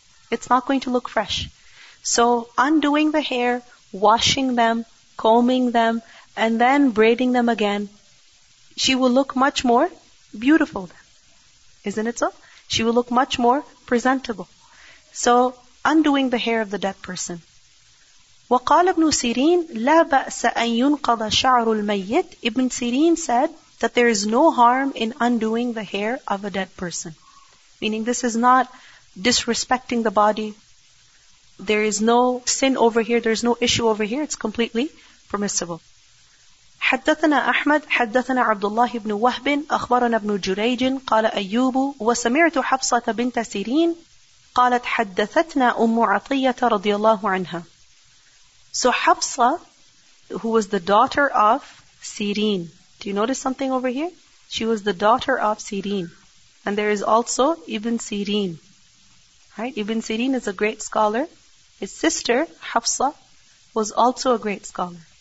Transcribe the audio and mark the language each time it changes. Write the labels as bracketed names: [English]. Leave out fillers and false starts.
[English] It's not going to look fresh. So undoing the hair, washing them, combing them, and then braiding them again, she will look much more beautiful then. Isn't it so? She will look much more presentable. So undoing the hair of the dead person. [Arabic] وقال ابن سيرين لا بأس أن ينقض شعر الميت. [English] Ibn Sirin said that there is no harm in undoing the hair of a dead person. Meaning this is not disrespecting the body. There is no sin over here. There is no issue over here. It's completely permissible. [Arabic] حدثنا أحمد حدثنا عبد الله بن وهب أخبرنا ابن جريج قال أيوب وسمعت حفصة بنت سيرين قالت حدثتنا أم عطية رضي الله عنها. [English] So Hafsa, who was the daughter of Sirin. Do you notice something over here? She was the daughter of Sirin. And there is also Ibn Sirin. Right? Ibn Sirin is a great scholar. His sister, Hafsa, was also a great scholar.